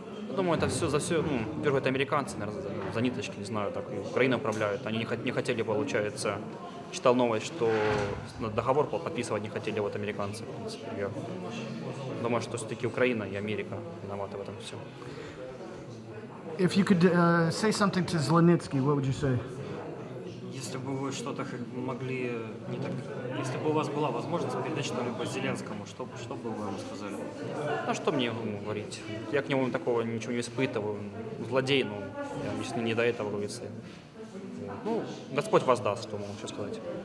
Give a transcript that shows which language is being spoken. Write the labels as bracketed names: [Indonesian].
[Russian] Я думаю, это все за все, ну, в первую очередь, американцы, наверное, за ниточки, не знаю, так, Украина управляют. Они не хотели, получается, читал новость, что договор подписывать не хотели вот американцы, в принципе. Я думаю, что все-таки Украина и Америка виноваты в этом все. [English] If you could say something to Zelensky, what would you say? [Russian] Если бы вы что-то могли, не так, если бы у вас была возможность передать что-либо Зеленскому, что бы вы ему сказали? А что мне ему говорить? Я к нему такого ничего не испытываю. Злодей, но я, если не до этого, говорится. Ну, Господь воздаст, что могу еще сказать.